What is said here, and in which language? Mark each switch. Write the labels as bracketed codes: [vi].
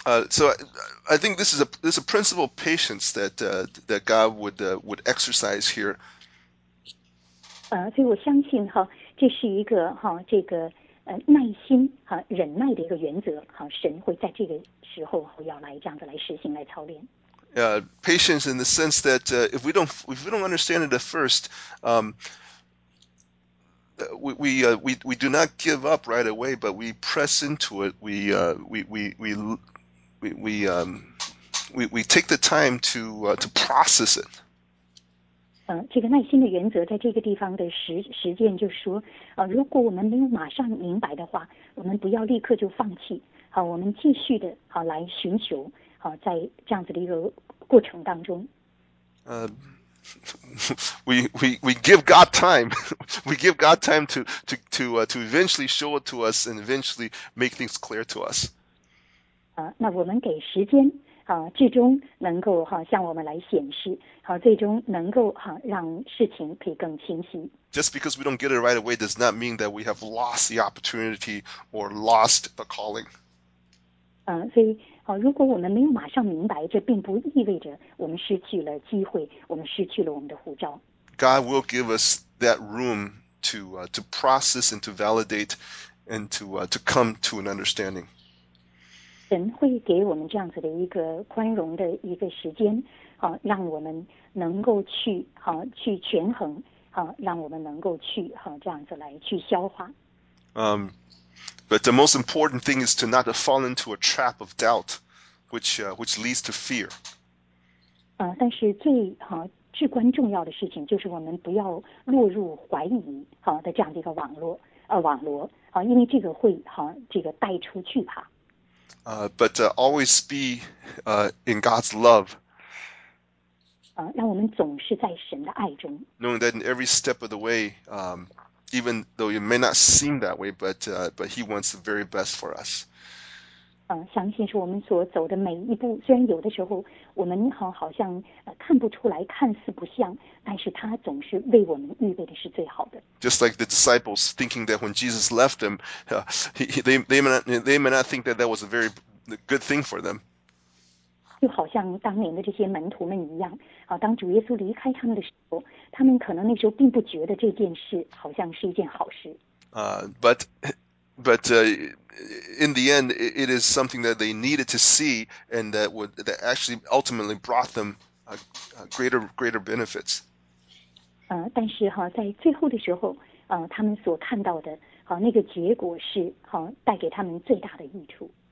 [en] So I think this is a principle of patience that God would exercise here. [zh] 所以我相信这是一个这个耐心忍耐的一个原则神会在这个时候要来这样子来实行来操练。 [en] Patience in the sense that if we don't understand it at first, we do not give up right away, but we press into it. We take the time to process it. [zh] 这个耐心的原则在这个地方的实践就是说，如果我们没有马上明白的话，我们不要立刻就放弃，我们继续的来寻求，在这样子的一个过程当中。 [en] We give God time. We give God time to eventually show it to us and eventually make things clear to us. [zh] 那我们给时间最终能够向我们来显示最终能够让事情可以更清晰。 [en] Just because we don't get it right away does not mean that we have lost the opportunity or lost the calling. [zh] 所以如果我们没有马上明白，这并不意味着我们失去了机会，我们失去了我们的护照。 [en] God will give us that room to process and to validate and to come to an understanding. [zh] 神会给我们这样子的一个宽容的一个时间让我们能够去权衡让我们能够去这样子来去消化。 [en] But the most important thing is to not to fall into a trap of doubt, which leads to fear. [zh] 但是最至关重要的事情就是我们不要落入怀疑的这样的一个网络因为这个会这个带出惧怕。 [en] But always be in God's love. [zh] 让我们总是在神的爱中。 [en] Knowing that in every step of the way, even though it may not seem that way, but He wants the very best for us. [zh] 相信是我们所走的每一步，虽然有的时候我们好像看不出来，看似不像，但是他总是为我们预备的是最好的。 [en] Just like the disciples thinking that when Jesus left them, they may not think that was a good thing for them. [zh] 就好像当年的这些门徒们一样，当主耶稣离开他们的时候，他们可能那时候并不觉得这件事好像是一件好事。 [en] But in the end, it is something that they needed to see, and that actually ultimately brought them greater benefits. [zh] 但是在最后的时候，他们所看到的那个结果是带给他们最大的益处。